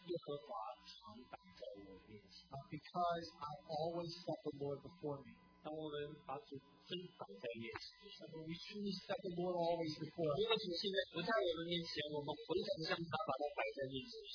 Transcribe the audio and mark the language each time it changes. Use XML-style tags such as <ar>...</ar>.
<zh>因为将耶和华常摆在我面前。</zh> <en>Because I always set the Lord before me.</en> <zh>当我们把主真摆在面前。</zh> <en>We choose to set the Lord always before.</en> <zh>如果主现在不在我们面前，我们回转向他，把他摆在面前。</zh>